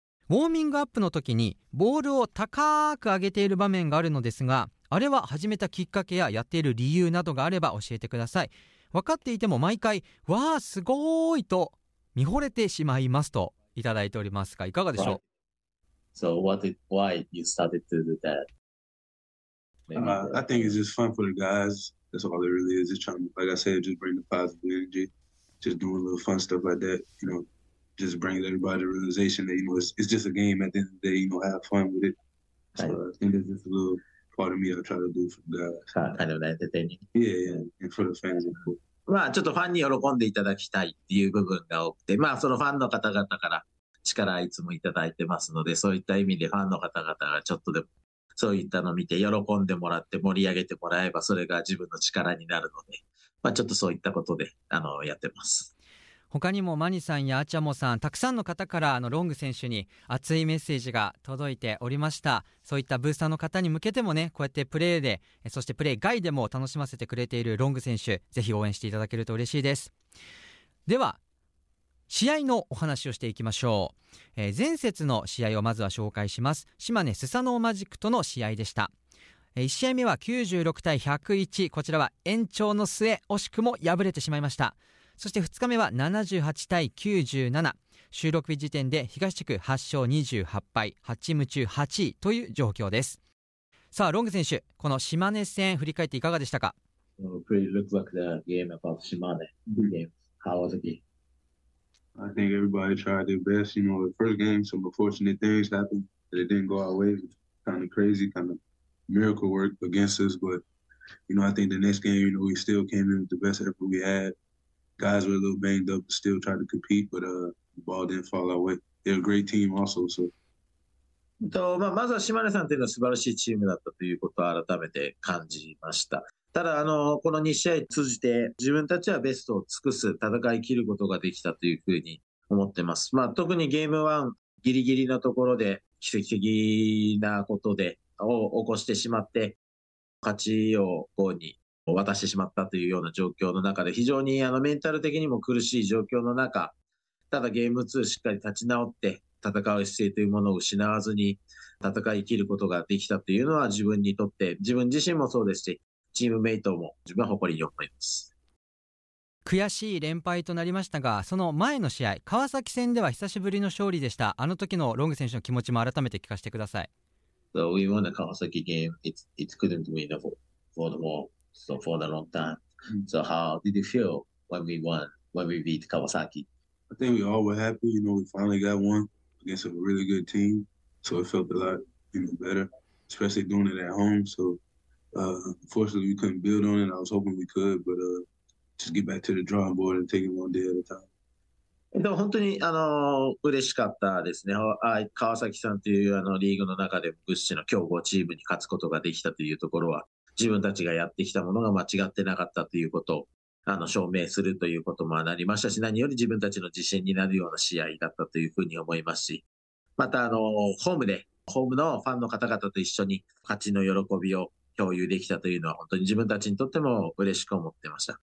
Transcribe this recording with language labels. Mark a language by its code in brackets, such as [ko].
[ja] ウォーミングアップの時にボールを高く上げている場面があるのですが、あれは始めたきっかけややっている理由などがあれば教えてください。分かっていても毎回、わーすごーいと見惚れてしまいますといただいておりますが、いかがでしょう？ [en] So why you started to do that? Maybe I think it's just fun for the guys. That's all it really is. Just trying, like I said, just bring the positive energy. Just doing a little fun stuff like that. Just brings everybody to the realization that, it's just a game. At the end of the day, have fun with it. So I think it's just a little part of me I try to do for the guys. Kind of entertaining. And for the fans, of course. [ja] ちょっとファンに喜んでいただきたいっていう部分が多くて、そのファンの方々から力いつもいただいてますので、そういった意味でファンの方々がちょっとでもそういったのを見て喜んでもらって、盛り上げてもらえば、それが自分の力になるので、ちょっとそういったことでやってます。他にもマニさんやアチャモさん、たくさんの方からロング選手に熱いメッセージが届いておりました。そういったブースターの方に向けてもね、こうやってプレーで、そしてプレー外でも楽しませてくれているロング選手、ぜひ応援していただけると嬉しいです。では試合のお話をしていきましょう。前節の試合をまずは紹介します。島根スサノオマジックとの試合でした。 1試合目は96-101、こちらは延長の末惜しくも敗れてしまいました。そして2日目は78-97、収録日時点で東地区8勝28敗8無中8位という状況です。さあ、ロング選手、この島根戦振り返っていかがでしたか？ [en] Pretty look like the game about 島根 How was the game? I think everybody tried their best. The first game, some unfortunate things happened that it didn't go our way. Kind of crazy, kind of miracle work against us. But, I think the next game, we still came in with the best effort we had. Guys were a little banged up, still tried to compete, but the ball didn't fall our way. They're a great team also, so. [ja] まずは島根さんというのは素晴らしいチームだったということを改めて感じました。ただ、この2試合通じて自分たちはベストを尽くす、戦い切ることができたというふうに思ってます。特にゲーム1ギリギリのところで奇跡的なことでを起こしてしまって、勝ちを5に渡してしまったというような状況の中で、非常にメンタル的にも苦しい状況の中、ただゲーム2しっかり立ち直って、戦う姿勢というものを失わずに戦い切ることができたというのは自分にとって、自分自身もそうですし、チームメイトも自分は誇りに思います。悔しい連敗となりましたが、その前の試合、川崎戦では久しぶりの勝利でした。あの時のロング選手の気持ちも改めて聞かせてください。 [en] So we won the Kawasaki game. It couldn't win for the more, so for the long time. So how did you feel when we won, when we beat Kawasaki? I think we all were happy. You know, we finally got one against a really good team. So it felt a lot better, especially doing it at home. So unfortunately, we couldn't build on it. I was hoping we could, but just get back to the drawing board and take it one day at a time. [ja] でも本当に嬉しかったですね。川崎さんというリーグの中で屈指の強豪チームに勝つことができたというところは、自分たちがやってきたものが間違ってなかったということを証明するということもなりましたし、何より自分たちの自信になるような試合だったというふうに思いますし、またホームのファンの方々と一緒に勝ちの喜びを共有できたというのは、本当に自分たちにとっても嬉しく思ってました。